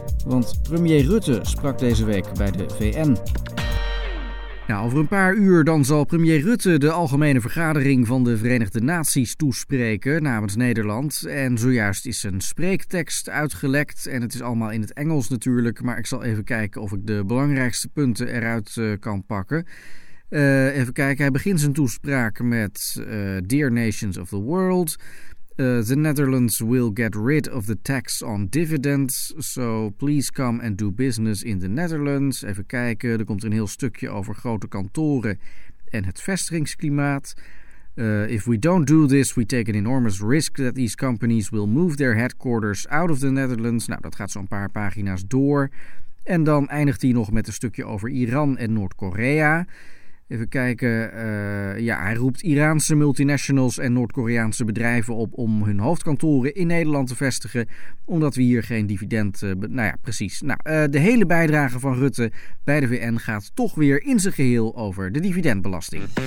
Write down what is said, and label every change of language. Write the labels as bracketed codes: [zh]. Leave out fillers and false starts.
[nl] Want premier Rutte sprak deze week bij de VN. Ja, over een paar uur dan zal premier Rutte de algemene vergadering van de Verenigde Naties toespreken namens Nederland. En zojuist is een spreektekst uitgelekt en het is allemaal in het Engels natuurlijk. Maar ik zal even kijken of ik de belangrijkste punten eruit kan pakken. Even kijken, hij begint zijn toespraak met [en] Dear Nations of the World. The Netherlands will get rid of the tax on dividends, so please come and do business in the Netherlands. [nl] Even kijken, er komt een heel stukje over grote kantoren en het vestigingsklimaat. [en] If we don't do this, we take an enormous risk that these companies will move their headquarters out of the Netherlands. [nl] Nou, dat gaat zo'n paar pagina's door. En dan eindigt hij nog met een stukje over Iran en Noord-Korea. Even kijken, hij roept Iraanse multinationals en Noord-Koreaanse bedrijven op om hun hoofdkantoren in Nederland te vestigen, omdat we hier geen dividend, de hele bijdrage van Rutte bij de VN gaat toch weer in zijn geheel over de dividendbelasting.